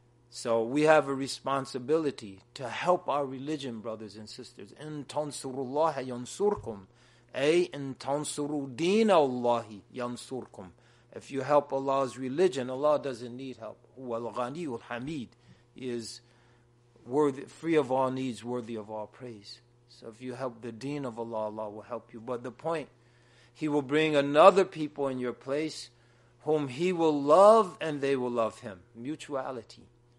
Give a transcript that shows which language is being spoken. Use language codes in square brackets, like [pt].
[en] So we have a responsibility to help our religion, brothers and sisters. [ar] إن تنصروا الله ينصركم أي إن تنصروا دين الله ينصركم. [en] If you help Allah's religion, Allah doesn't need help. [ar] هو الغني والحميد, [en] is worthy, free of all needs, worthy of all praise. So if you help the deen of Allah, Allah will help you. But the point, he will bring another people in your place whom he will love and they will love him. Mutuality.